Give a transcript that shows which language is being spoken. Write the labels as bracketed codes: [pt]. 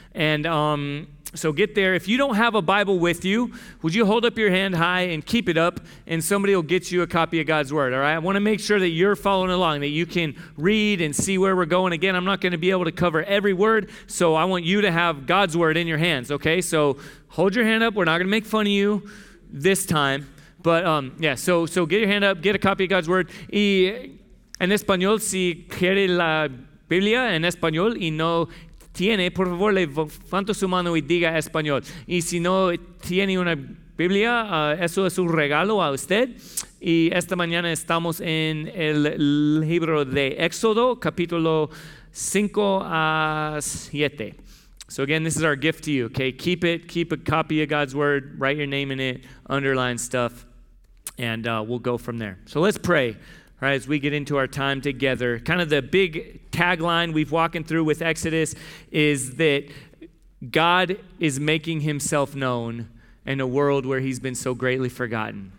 [en] And so get there. If you don't have a Bible with you, would you hold up your hand high and keep it up, and somebody will get you a copy of God's word, all right? I want to make sure that you're following along, that you can read and see where we're going. Again, I'm not going to be able to cover every word, so I want you to have God's word in your hands, okay? So hold your hand up. We're not going to make fun of you this time. But so get your hand up, get a copy of God's word. [es] Y en español, si quiere la Biblia en español y no tiene, por favor, levante su mano y diga español. Y si no tiene una Biblia, eso es un regalo a usted. Y esta mañana estamos en el libro de Éxodo, capítulo 5 a 7. [en] So again, this is our gift to you, okay? Keep it, keep a copy of God's word, write your name in it, underline stuff. And we'll go from there. So let's pray, right, as we get into our time together. Kind of the big tagline we've walking through with Exodus is that God is making himself known in a world where he's been so greatly forgotten.